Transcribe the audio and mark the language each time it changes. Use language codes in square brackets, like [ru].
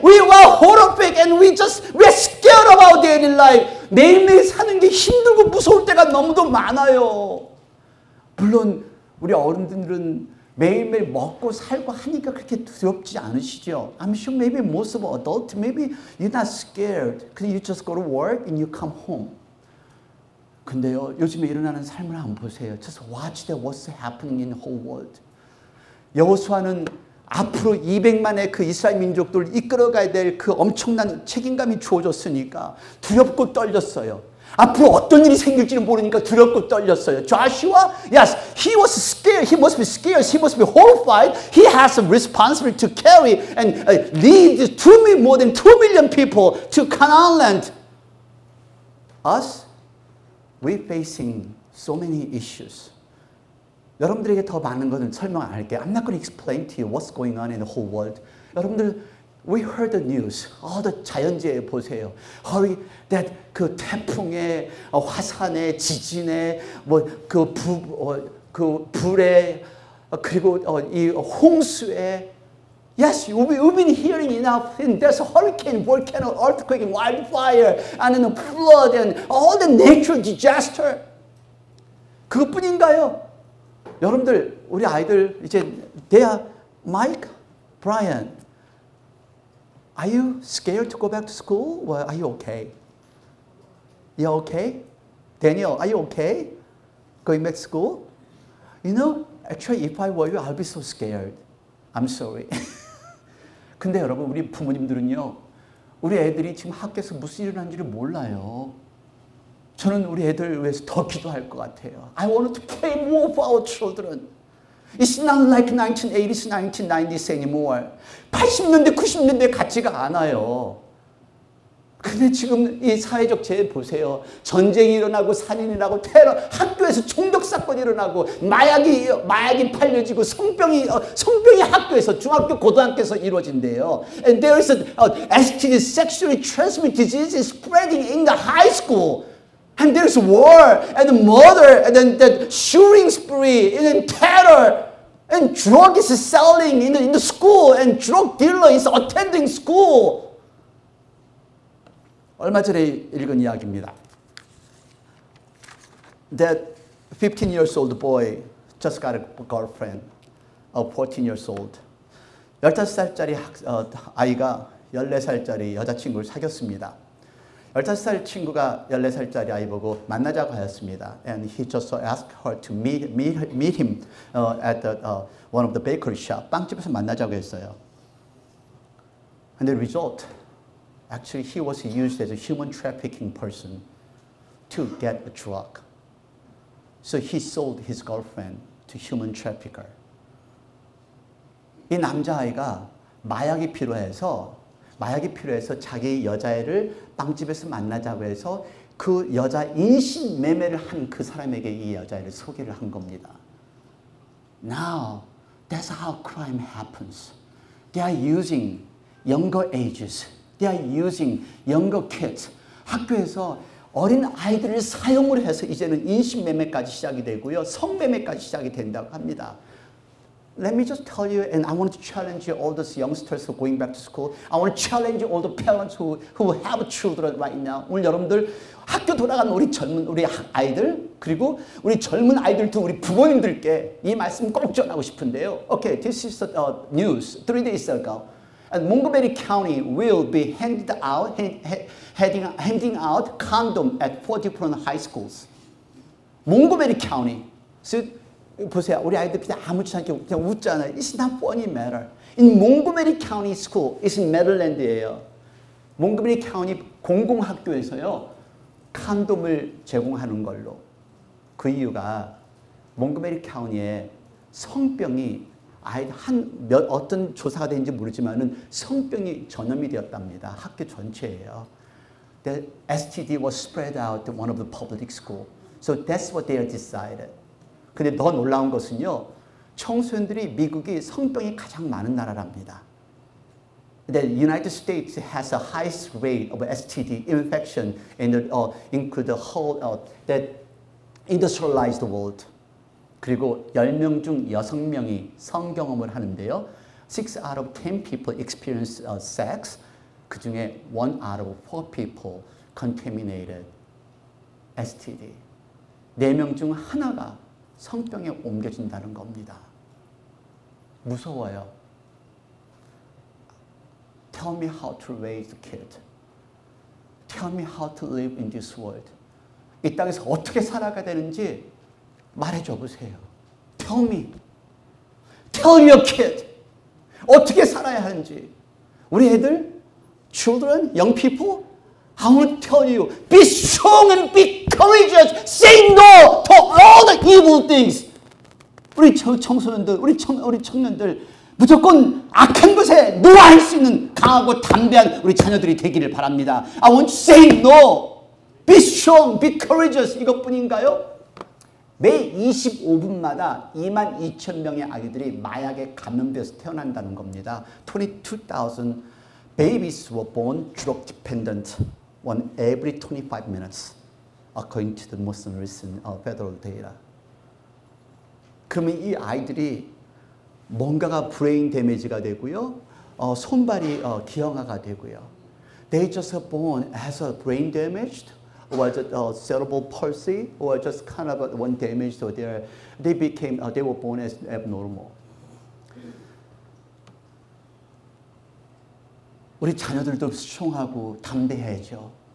[en] We are horrific and we're scared of our daily life. [ko] 매일매일 사는 게 힘들고 무서울 때가 너무도 많아요. 물론 우리 어른들은 매일매일 먹고 살고 하니까 그렇게 두렵지 않으시죠? [en] I'm sure maybe most of adults, maybe you're not scared. Because you just go to work and you come home. [ko] 근데요, 요즘에 일어나는 삶을 안 보세요. [en] Just watch that what's happening in the whole world. [ko] 여호수아는 앞으로 200만의 그 이스라엘 민족들을 이끌어가야 될 그 엄청난 책임감이 주어졌으니까 두렵고 떨렸어요. 앞으로 어떤 일이 생길지는 모르니까 두렵고 떨렸어요. [en] Joshua, yes, he was scared. He must be scared. He must be horrified. He has a responsibility to carry and lead more than 2 million people to Canaan land. Us, we're facing so many issues. [ko] 여러분들에게 더 많은 것은 설명 안 할게요. [en] I'm not going to explain to you what's going on in the whole world. [ko] 여러분들, [en] we heard the news. [ko] 더 자연재해 보세요. [en] Hurry, that [ko] 그 태풍에 화산에 지진에 뭐 그 불에 그리고 이 홍수에 [en] Yes, we've been hearing enough. And there's a hurricane, volcano, earthquake, wildfire, and then a flood, and all the natural disaster. [ko] 그것뿐인가요? 여러분들, 우리 아이들 이제 [en] they are Mike, Brian. Are you scared to go back to school? Well, are you okay? You're okay? Daniel, are you okay? Going back to school? You know, actually, if I were you, I'd be so scared. I'm sorry. [ko] 근데 여러분 우리 부모님들은요 우리 애들이 지금 학교에서 무슨 일어난지를 몰라요. 저는 우리 애들 위해서 더 기도할 것 같아요. [en] I want to pray more for our children. It's not like 1980s, 1990s anymore. [ko] 80년대, 90년대 같지가 않아요. 근데 지금 이 사회적 재해 보세요. 전쟁이 일어나고 살인이 일어나고 테러, 학교에서 총격 사건이 일어나고 마약이 팔려지고 성병이 학교에서 중학교 고등학교에서 이루어진대요. [en] And there is a STD sexually transmitted disease is spreading in the high school. And there is war and murder and then that shooting spree and then terror and drug is selling in the school and drug dealer is attending school. [ko] 얼마 전에 읽은 이야기입니다. [en] That 15 years old boy just got a girlfriend, a 14 years old. [ko] 15살짜리 아이가 14살짜리 여자친구를 사귀었습니다. 15살 친구가 14살짜리 아이 보고 만나자고 하였습니다. [en] And he just asked her to meet him at one of the bakery shop, [ko] 빵집에서 만나자고 했어요. [en] And the result, Actually, he was used as a human trafficking person to get a drug. So he sold his girlfriend to human trafficker. [ko] 이 남자아이가 마약이 필요해서 자기 여자애를 빵집에서 만나자고 해서 그 여자 인신 매매를 한 그 사람에게 이 여자애를 소개를 한 겁니다. [en] Now, that's how crime happens. They are using younger ages. They are using younger kids. [ko] 학교에서 어린 아이들을 사용을 해서 이제는 인신매매까지 시작이 되고요. 성매매까지 시작이 된다고 합니다. [en] Let me just tell you, and I want to challenge all those youngsters who are going back to school. I want to challenge all the parents who have children right now. [ko] 오늘 여러분들, 학교 돌아간 우리 젊은 우리 아이들, 그리고 우리 젊은 아이들도 우리 부모님들께 이 말씀 꼭 전하고 싶은데요. [en] Okay, this is the news. 3 days ago. And Montgomery County will be handing out condom at four different high schools. Montgomery County. [ko] So, 보세요. 우리 아이들 그냥 아무렇지 않게 그냥 웃잖아요. [en] It's not funny matter. In Montgomery County School, it's in Maryland예요. [ko] Montgomery County 공공학교에서요. 콘돔을 제공하는 걸로. 그 이유가 Montgomery County의 성병이 아이 어떤 조사가 되는지 모르지만은 성병이 전염이 되었답니다. 학교 전체예요. [en] The STD was spread out to one of the public school. So that's what they decided. [ko] 근데 더 놀라운 것은요. 청소년들이 미국이 성병이 가장 많은 나라랍니다. [en] The United States has the highest rate of STD infection in the include the whole that industrialized world. [ko] 그리고 10명 중 6명이 성경험을 하는데요. [en] 6 out of 10 people experience sex. 그 중에 1 out of 4 people contaminated STD. [ko] 4명 중 하나가 성병에 옮겨진다는 겁니다. 무서워요. [en] Tell me how to raise a kid. Tell me how to live in this world. [ko] 이 땅에서 어떻게 살아가야 되는지 말해줘 보세요. [en] Tell me. Tell your kid. [ko] 어떻게 살아야 하는지. 우리 애들, [en] children, young people, I want to tell you. Be strong and be courageous. Say no to all the evil things. [ko] 우리 청소년들, 우리 청년들, 무조건 악한 것에 노할 수 있는 강하고 담대한 우리 자녀들이 되기를 바랍니다. [en] I want to say no. Be strong, be courageous. [ko] 이것뿐인가요? 매 25분마다 2만 2천 명의 아이들이 마약에 감염돼서 태어난다는 겁니다. [en] 22,000 babies were born drug dependent one every 25 minutes according to the most recent federal data. [ko] 그러면 이 아이들이 뭔가가 브레인 데미지가 되고요. 손발이 기형아가 되고요. [en] They just born as a brain damaged or just a cerebral palsy or just kind of one damage to their they became they were born as abnormal. [ko] 우리 자녀들도 strong하고 담대해져.